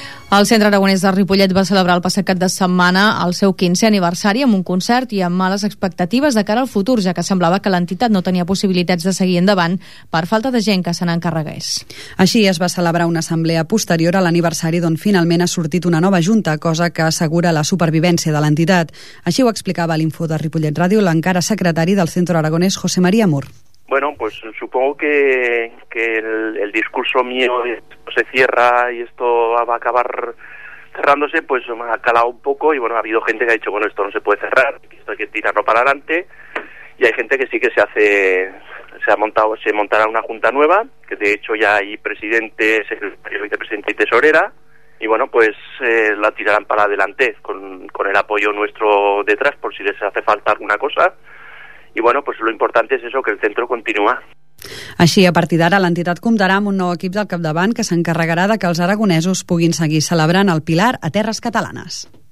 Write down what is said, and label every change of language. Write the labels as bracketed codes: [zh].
[ca] El Centre Aragonès de Ripollet va celebrar el passat cap de setmana el seu 15è aniversari amb un concert i amb males expectatives de cara al futur, ja que semblava que l'entitat no tenia possibilitats de seguir endavant per falta de gent que se n'encarregués. Així es va celebrar una assemblea posterior a l'aniversari d'on finalment ha sortit una nova junta, cosa que assegura la supervivència de l'entitat. Així ho explicava l'Info de Ripollet Ràdio l'encara secretari del Centre Aragonès, José María Mur. [es] Bueno, pues supongo que el discurso mío se cierra y esto va a acabar cerrándose, pues me ha calado un poco y bueno, ha habido gente que ha dicho, bueno, esto no se puede cerrar, esto hay que tirarlo para adelante, y hay gente que sí que se montará una junta nueva, que de hecho ya hay presidente, secretario, vicepresidente y tesorera, y bueno, pues la tirarán para adelante con el apoyo nuestro detrás por si les hace falta alguna cosa. Y bueno, pues lo importante es eso, que el centro continúa. [ca] Així, a partir d'ara, l'entitat comptarà amb un nou equip del capdavant que s'encarregarà de que els aragonesos puguin seguir celebrant el Pilar a Terres Catalanes.